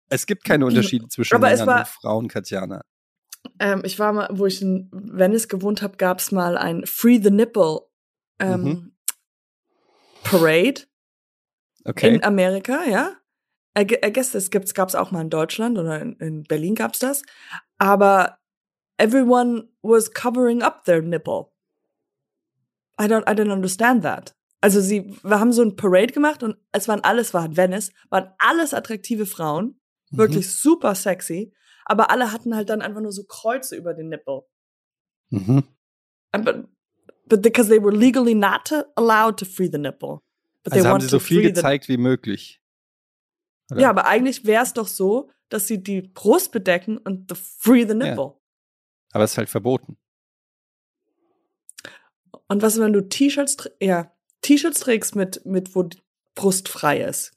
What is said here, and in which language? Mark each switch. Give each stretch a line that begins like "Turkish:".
German: Es gibt keine Unterschiede zwischen Männern und Frauen, Katjana. Ich war mal, wo ich in Venice gewohnt habe, gab es mal ein Free the Nipple Parade. Okay. In Amerika, ja. Gab es auch mal in Deutschland oder in Berlin gab es das. Aber
English: everyone was covering up their nipple. I don't understand that.
German: Also wir haben so ein Parade gemacht und waren alles attraktive Frauen. Wirklich super sexy. Aber alle hatten halt dann einfach nur so Kreuze über den Nipple.
English: But because they were legally not allowed to free the nipple. But
German: also haben sie so viel gezeigt wie möglich. Oder? Ja, aber eigentlich wäre es doch so, dass sie die Brust bedecken und free the nipple. Ja. Aber es ist halt verboten. Und was, wenn du T-Shirts trägst, mit wo die Brust frei ist?